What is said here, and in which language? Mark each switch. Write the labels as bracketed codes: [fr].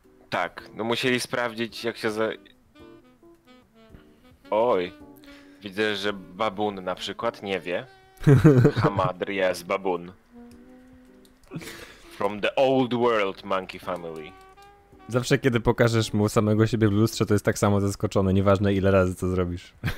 [pl] Tak, no musieli sprawdzić, jak się za... Oj, widzę, że babun na przykład nie wie. Hamadr jest babun. [en] From the old world monkey family. [pl] Zawsze kiedy pokażesz mu samego siebie w lustrze, to jest tak samo zaskoczony, nieważne ile razy to zrobisz.